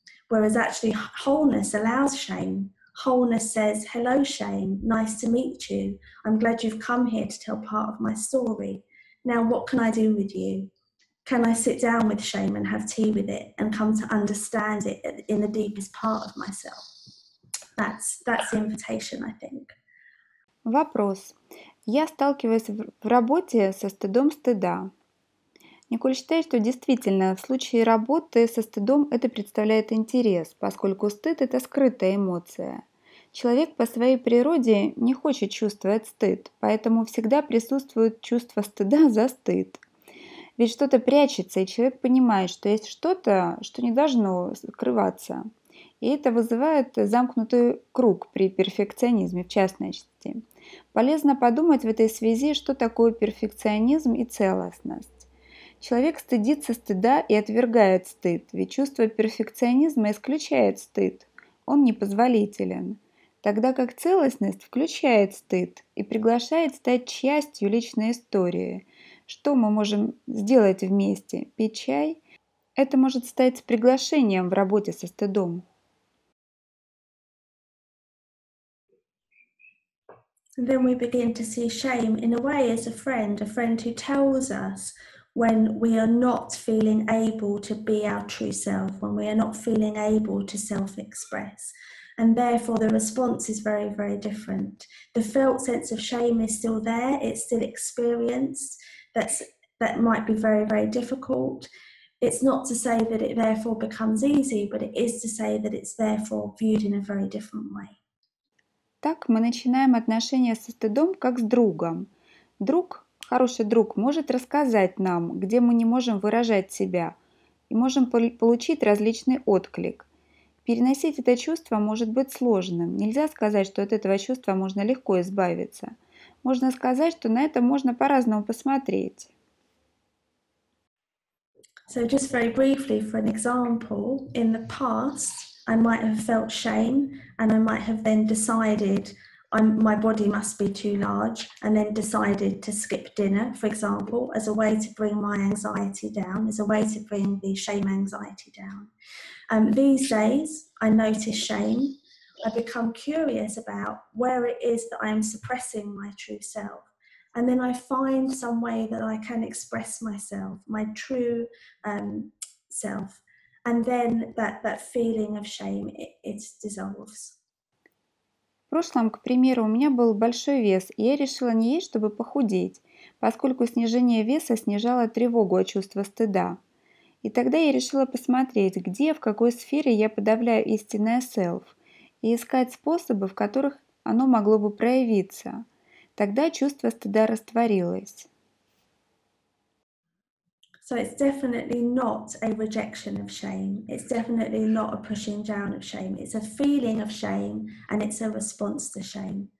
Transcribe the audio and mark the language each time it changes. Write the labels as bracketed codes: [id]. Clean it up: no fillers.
[en] Whereas actually wholeness allows shame. Wholeness says, hello, shame, nice to meet you. I'm glad you've come here to tell part of my story. Now, what can I do with you? Can I sit down with shame and have tea with it and come to understand it in the deepest part of myself? That's the invitation, I think. [ru] Вопрос. Я сталкиваюсь в работе со стыдом стыда. Николь считает, что действительно в случае работы со стыдом это представляет интерес, поскольку стыд – это скрытая эмоция. Человек по своей природе не хочет чувствовать стыд, поэтому всегда присутствует чувство стыда за стыд. Ведь что-то прячется, и человек понимает, что есть что-то, что не должно скрываться. И это вызывает замкнутый круг при перфекционизме, в частности. Полезно подумать в этой связи, что такое перфекционизм и целостность. Человек стыдится стыда и отвергает стыд, ведь чувство перфекционизма исключает стыд. Он непозволителен. Тогда как целостность включает стыд и приглашает стать частью личной истории. Что мы можем сделать вместе? Пить чай? Это может стать приглашением в работе со стыдом. [en] And then we begin to see shame in a way as a friend who tells us when we are not feeling able to be our true self, when we are not feeling able to self-express. And therefore the response is very, very different. The felt sense of shame is still there, it's still experienced, that might be very, very difficult. It's not to say that it therefore becomes easy, but it is to say that it's therefore viewed in a very different way. [ru] Так мы начинаем отношения со стыдом как с другом. Друг, хороший друг, может рассказать нам, где мы не можем выражать себя, и можем получить различный отклик. Переносить это чувство может быть сложным. Нельзя сказать, что от этого чувства можно легко избавиться. Можно сказать, что на это можно по-разному посмотреть. [en] So just very briefly, for an example, in the past, I might have felt shame and I might have then decided my body must be too large and then decided to skip dinner, for example, as a way to bring my anxiety down, as a way to bring the shame anxiety down. These days, I notice shame. I become curious about where it is that I am suppressing my true self. And then I find some way that I can express myself, my true self. And then that feeling of shame, it dissolves. [ru] В прошлом, к примеру, у меня был большой вес, и я решила не есть, чтобы похудеть, поскольку снижение веса снижало тревогу от чувства стыда. И тогда я решила посмотреть, где, в какой сфере я подавляю истинное self, и искать способы, в которых оно могло бы проявиться. Тогда чувство стыда растворилось. [en] So it's definitely not a rejection of shame. It's definitely not a pushing down of shame. It's a feeling of shame and it's a response to shame.